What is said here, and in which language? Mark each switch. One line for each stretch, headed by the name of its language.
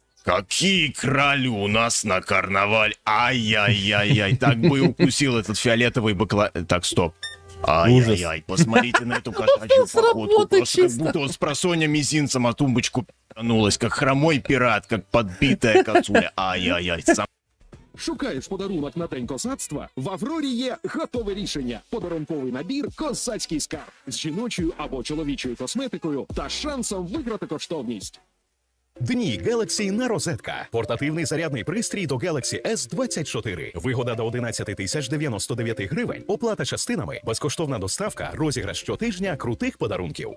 Russian: Какие крали у нас на карнавале. Ай-яй-яй-яй, так бы и укусил этот фиолетовый бакла... Так, стоп. Ай-яй-яй, посмотрите на эту кошачью походку. Просто как будто он с просонья мизинцем, а тумбочку пи***нулась, как хромой пират, как подбитая косуля. Ай-яй-яй, сам...
Ukrainian: Шукаєш подарунок на День косацтва? В «Аврорі» є готове рішення. Подарунковий набір «Косацький скарб» з жіночою або чоловічою косметикою та шансом виграти коштовність. Дні Galaxy на розетка. Портативний зарядний пристрій до Galaxy S24. Вигода до 11 099 гривень. Оплата частинами, безкоштовна доставка, розіграш щотижня, крутих подарунків.